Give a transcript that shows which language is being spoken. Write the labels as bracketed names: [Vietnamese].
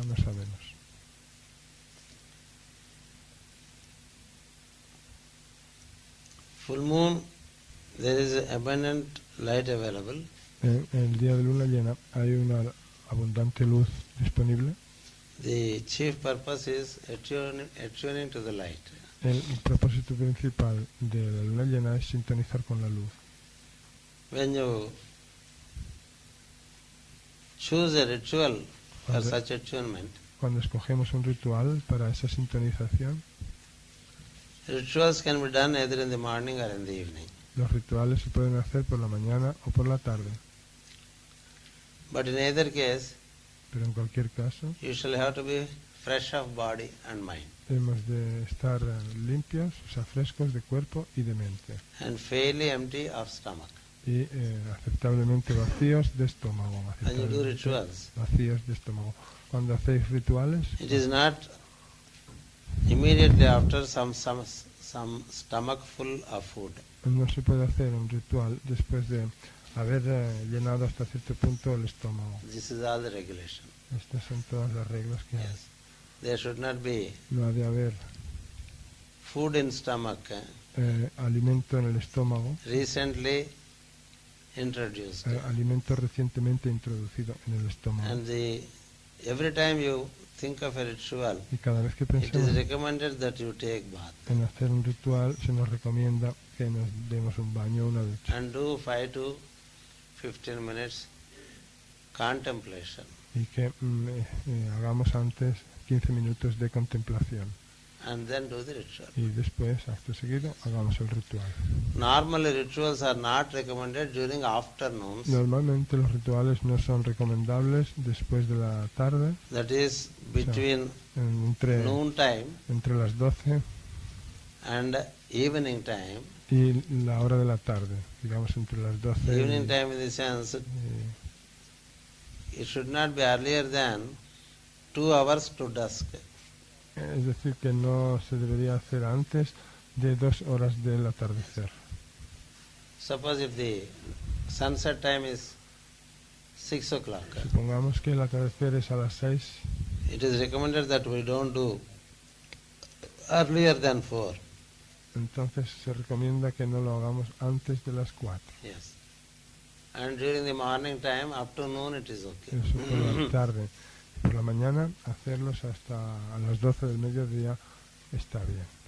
[Spanish] No sabemos. [English] Full moon, there is abundant light available. [Spanish] En el día de luna llena hay una abundante luz disponible. [English] The chief purpose is attuning to the light. [Spanish] El propósito principal de la luna llena es sintonizar con la luz. [English] When you choose a ritual for such attunement, [Spanish] cuando escogemos un ritual para esa sintonización, [English] rituals can be done either in the morning or in the evening. [Spanish] Los rituales se pueden hacer por la mañana o por la tarde. [English] But in either case, [Spanish] pero en cualquier caso, [English] you shall have to be fresh of body and mind. [Spanish] Hemos de estar limpios, o sea, frescos de cuerpo y de mente. [English] And fairly empty of stomach. [Spanish] Y aceptablemente vacíos de estómago. [English] And you do rituals. [Spanish] Vacíos de estómago. Cuando hacéis rituales, [English] it is not immediately after some stomach full of food. [Spanish] No se puede hacer un ritual después de haber llenado hasta cierto punto el estómago. [English] This is all the regulation. [Spanish] Estas son todas las reglas que [English] yes. There should not be. [Spanish] No ha de haber [English] food in stomach. [Spanish] Alimento en el estómago. [English] Recently introduced. [Spanish] Alimento recientemente introducido en el estómago. [English] And the, every time you think of a ritual, [Spanish] y cada vez que pensamos, [English] it is recommended that you take bath. [Spanish] En hacer un ritual se nos recomienda que nos demos un baño, una ducha. [English] And do 5 to 15 minutes contemplation. [Spanish] Y que hagamos antes 15 minutos de contemplación. [English] And then do the ritual. [Spanish] Y después, acto seguido, hagamos el ritual. [English] Normally, rituals are not recommended during afternoons. [Spanish] Normalmente, los rituales no son recomendables después de la tarde. [English] That is between noon time. [Spanish] Entre las 12. [English] And evening time. [Spanish] Y la hora de la tarde, digamos entre las 12. [English] Evening time in the sense, it should not be earlier than 2 hours to dusk. [Spanish] Es decir, que no se debería hacer antes de 2 horas del atardecer. [English] Suppose if the sunset time is 6 o'clock. [Spanish] Supongamos que el atardecer es a las 6. [English] It is recommended that we don't do earlier than 4. [Spanish] Entonces se recomienda que no lo hagamos antes de las 4. [English] Yes. And during the morning time, up to noon it is okay. [Spanish] Eso por la tarde. Por la mañana, hacerlos hasta a las 12 del mediodía está bien.